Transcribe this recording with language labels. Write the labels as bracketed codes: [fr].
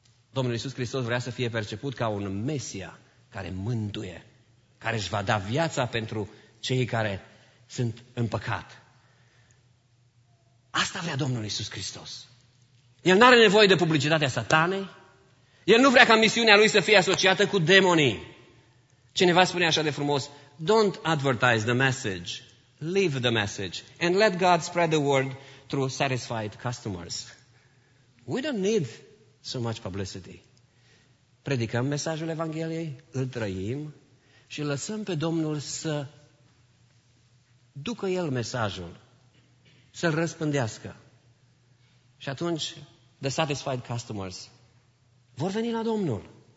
[ro] Domnul Iisus Hristos vrea să fie perceput ca un Mesia care mântuie, care își va da viața pentru cei care sunt în păcat. Asta vrea Domnul Iisus Hristos. El n-are nevoie de publicitatea satanei. El nu vrea ca misiunea lui să fie asociată cu demonii. Cineva spune așa de frumos, [en] don't advertise the message, leave the message and let God spread the word through satisfied customers. We don't need so much publicity. [ro] Predicăm mesajul Evangheliei, îl trăim și lăsăm pe Domnul să ducă El mesajul, să-L răspândească. Și atunci [en] the satisfied customers [ro] vor veni la Domnul.